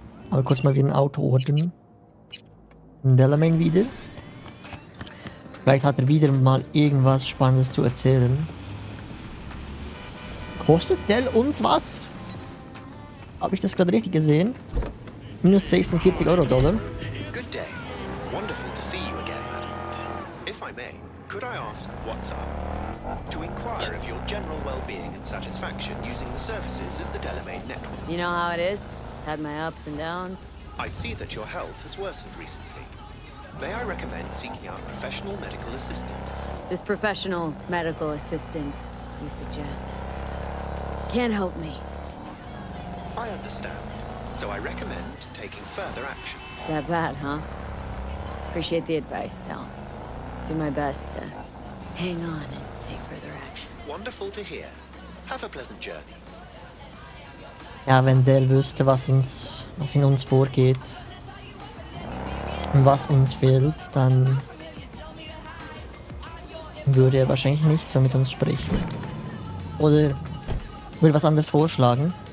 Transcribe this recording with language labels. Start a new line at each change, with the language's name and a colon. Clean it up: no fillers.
German: Aber kurz mal wieder ein Auto ordnen. Ein Delamain wieder. Vielleicht hat er wieder mal irgendwas Spannendes zu erzählen. Kostet Dell uns was? Habe ich das gerade richtig gesehen?
English: Minus 46 Euro Dollar. Good day. Wonderful to see you again, madam. If I may, could I ask what's up? To inquire of your general well-being and satisfaction using the services of the Delamain Network. You know how it is? Had my ups and downs. I see that your health has worsened recently. May I recommend seeking out professional medical assistance? This professional medical assistance, you suggest, can't help me. I understand, so I recommend taking further action. Is that bad, huh? Appreciate the advice, Del. Do my best to hang on and take further action. Wonderful to hear. Have a pleasant journey.
German: Ja, wenn Del wüsste, was in uns vorgeht und was uns fehlt, dann würde er wahrscheinlich nicht so mit uns sprechen. Oder würde was anderes vorschlagen.